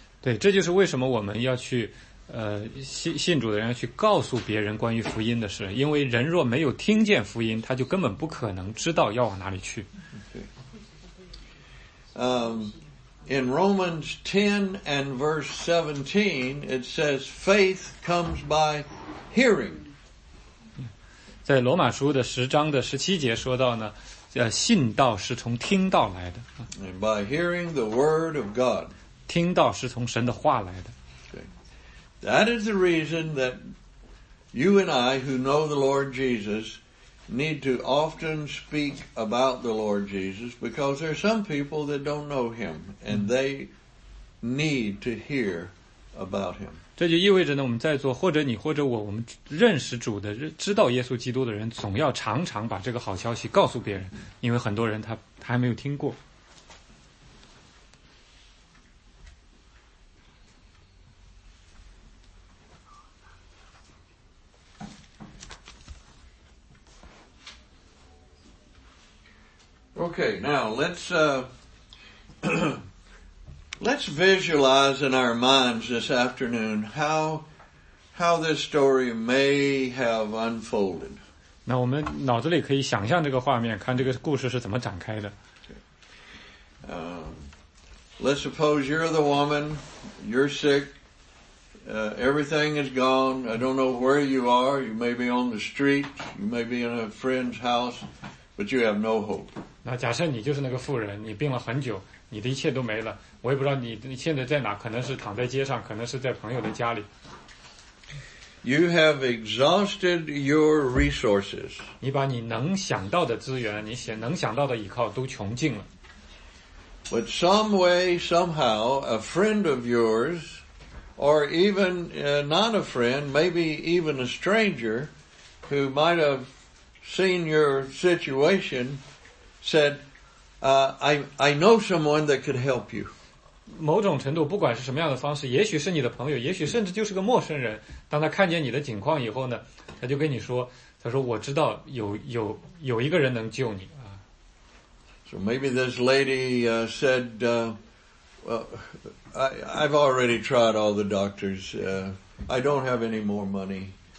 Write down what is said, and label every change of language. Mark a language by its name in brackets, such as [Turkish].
[Chinese] 对，这就是为什么我们要去信主的人要去告诉别人关于福音的事，因为人若没有听见福音，他就根本不可能知道要往哪里去。 [English] In Romans 10 and verse 17, it says, faith comes by hearing. [Chinese] 在罗马书的10章17节说到呢，信道是从听道来的。 [English] And by hearing the word of God. [Chinese] 听道是从神的话来的。 [English] Okay. That is the reason that you and I who know the Lord Jesus need to often speak about the Lord Jesus, because there are some people that don't know him and they need to hear about him. [Chinese] 这就意味着呢，我们在座或者你或者我，我们认识主的，知道耶稣基督的人，总要常常把这个好消息告诉别人，因为很多人他还没有听过。 [English] Okay, now let's visualize in our minds this afternoon how this story may have unfolded. [Chinese] 那我们脑子里可以想象这个画面，看这个故事是怎么展开的。 [English] Let's suppose you're the woman, you're sick, everything is gone, I don't know where you are, you may be on the street, you may be in a friend's house, but you have no hope. [Chinese] 那假设你就是那个妇人，你病了很久，你的一切都没了，我也不知道你现在在哪，可能是躺在街上，可能是在朋友的家里。 [English] You have exhausted your resources. [Chinese] 你把你能想到的资源，你能想到的依靠都穷尽了。 [English] But some way, somehow, a friend of yours, or even not a friend, maybe even a stranger, who might have seen your situation,said, I know someone that could help you. [Chinese] 某种程度，不管是什么样的方式，也许是你的朋友，也许甚至就是个陌生人，当他看见你的情况以后呢，他就跟你说，他说我知道有一个人能救你。 [English] So maybe this lady said, I've already tried all the doctors. I don't have any more money.